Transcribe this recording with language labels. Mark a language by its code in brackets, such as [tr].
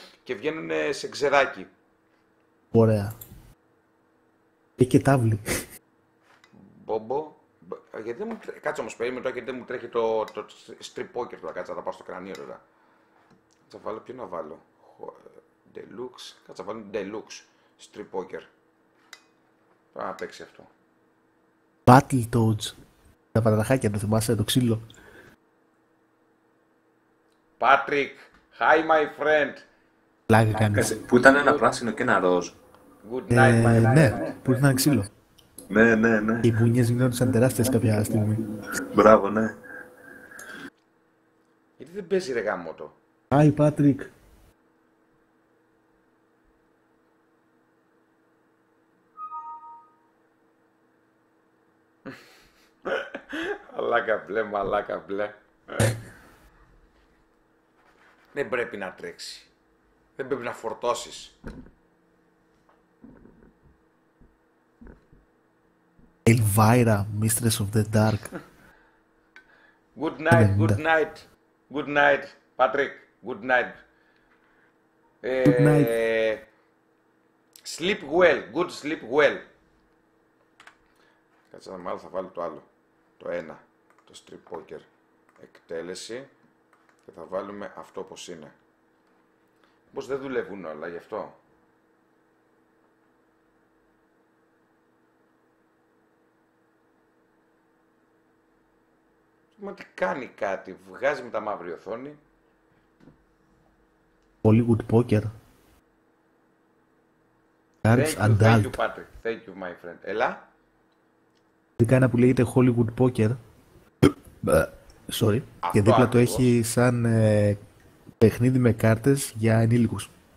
[el] Και βγαίνουν σε ξεδάκι. Ωραία. Και τάβλη. Μπομπο. Γιατί μου τρέχει, κάτσε όμως περίμενε τώρα, γιατί μου τρέχει το strip poker τώρα, κάτσε να τα πάω στο κρανίο τώρα. Κάτσε να βάλω, ποιο να βάλω. Deluxe, κάτσε να βάλω Deluxe strip poker. Πάμε να παίξει αυτό. Battletoads. Τα παραδαχάκια, το θυμάσαι, το ξύλο. [en] Patrick, hi my friend. [el] Πλάκα κάνεις. Που ήταν ένα πράσινο και ένα ροζ. [en] Good night, my friend. [el] Ναι, που ήταν ξύλο. Ναι, ναι, ναι. Οι μπουνιές γινόντουσαν τεράστιες κάποια στιγμή. Μπράβο, ναι. Γιατί δεν παίζει ρε γαμότο. [en] Hi, Patrick. [el] Μαλάκα μπλε, μαλάκα μπλε. Δεν πρέπει να τρέξει. Δεν πρέπει να φορτώσεις. [en] Elvira, Mistress of the Dark. Good night, good night. Good night, Patrick. Good night. Good night. Sleep well, good sleep well. [el] Κάτσε να μάλλον θα βάλω το άλλο. Το ένα. Το strip poker εκτέλεση και θα βάλουμε αυτό όπως είναι. Πώς δεν δουλεύουν όλα γι' αυτό. Μα τι κάνει κάτι, βγάζει με τα μαύρη οθόνη. [en] Πολύ good poker. Thank you, thank you, Patrick. Thank you, my friend. Έλα. [el] Ειδικά ένα που λέγεται Hollywood Poker. Sorry. Αυτό και δίπλα άνθρωπος. Το έχει σαν παιχνίδι με κάρτες για ενήλικους.